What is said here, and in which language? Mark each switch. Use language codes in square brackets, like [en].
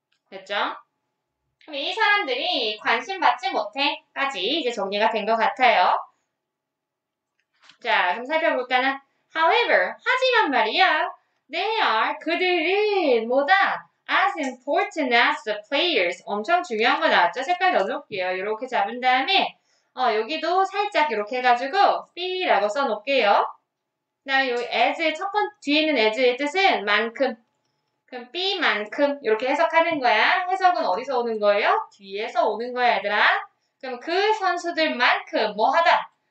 [ko] 됐죠? 그럼 이 사람들이 관심 받지 못해. 까지 이제 정리가 된것 같아요. 자, 그럼 살펴볼까나? [en] However, [ko] 하지만 말이야. [en] They are, [ko] 그들은 뭐다? [en] As important as the players. [ko] 엄청 중요한 거 나왔죠? 색깔 넣어놓을게요. 이렇게 잡은 다음에. 여기도 살짝 이렇게 해가지고 be라고 써놓을게요. 그다음에 여기 as의 첫 번, 뒤에 있는 as의 뜻은 만큼. 그럼 be만큼 이렇게 해석하는 거야. 해석은 어디서 오는 거예요? 뒤에서 오는 거야, 얘들아. 그럼 그 선수들만큼 뭐 하다?